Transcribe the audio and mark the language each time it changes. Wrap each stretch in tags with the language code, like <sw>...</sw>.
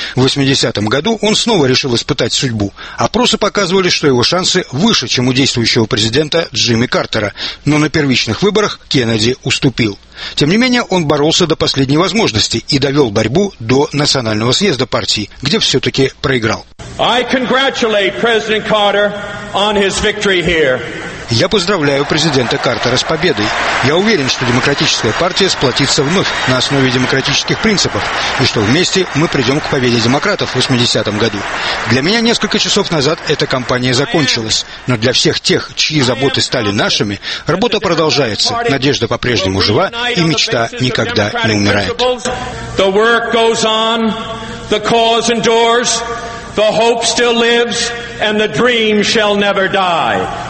<ru>В 80-м году он снова решил испытать судьбу. Опросы показывали, что его шансы выше, чем у действующего президента Джимми Картера, но на первичных выборах Кеннеди уступил. Тем не менее, он боролся до последней возможности и довел борьбу до Национального съезда партии, где все-таки проиграл.</ru> <en>I congratulate President Carter on his victory here.</en> <ru>Я поздравляю президента Картера с победой. Я уверен, что демократическая партия сплотится вновь на основе демократических принципов, и что вместе мы придем к победе демократов в 80-м году. Для меня несколько часов назад эта кампания закончилась, но для всех тех, чьи заботы стали нашими, работа продолжается, надежда по-прежнему жива, и мечта никогда не умирает.</ru> <en>The work goes on, the cause endures, the hope still lives, and the dream shall never die.</en>